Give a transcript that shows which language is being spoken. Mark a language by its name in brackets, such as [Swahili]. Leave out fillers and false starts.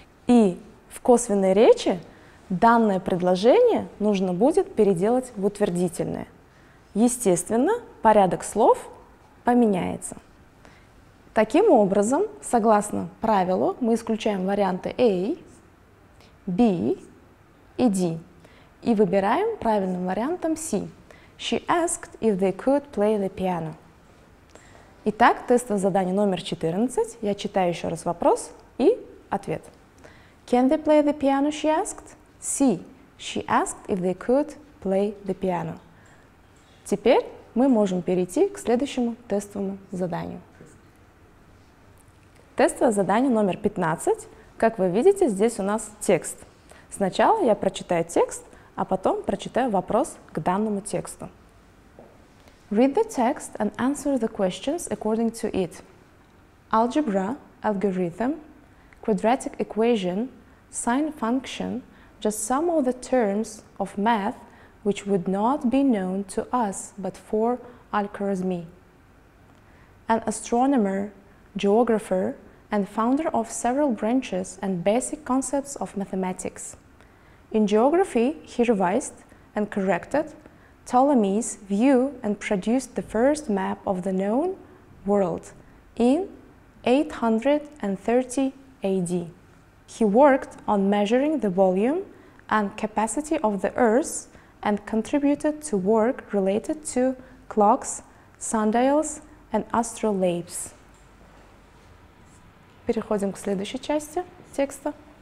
[Russian] И в косвенной речи данное предложение нужно будет переделать в утвердительное. Естественно, порядок слов поменяется. Таким образом, согласно правилу, мы исключаем варианты A, B и D. И выбираем правильным вариантом C. [English] She asked if they could play the piano. [Russian] Итак, тестовое задание номер 14. Я читаю еще раз вопрос и ответ. [English] Can they play the piano, she asked? C. She asked if they could play the piano. [Russian] Теперь мы можем перейти к следующему тестовому заданию. Тестовое задание номер 15. Как вы видите, здесь у нас текст. Сначала я прочитаю текст, а потом прочитаю вопрос к данному тексту. [English] Read the text and answer the questions according to it. Algebra, algorithm, quadratic equation, sine function, just some of the terms of math which would not be known to us but for Al-Khwarizmi. An astronomer, geographer, and founder of several branches and basic concepts of mathematics. In geography, he revised and corrected Ptolemy's view and produced the first map of the known world in 830 AD. He worked on measuring the volume and capacity of the Earth and contributed to work related to clocks, sundials, and astrolabes. [Russian] Переходим к следующей части текста.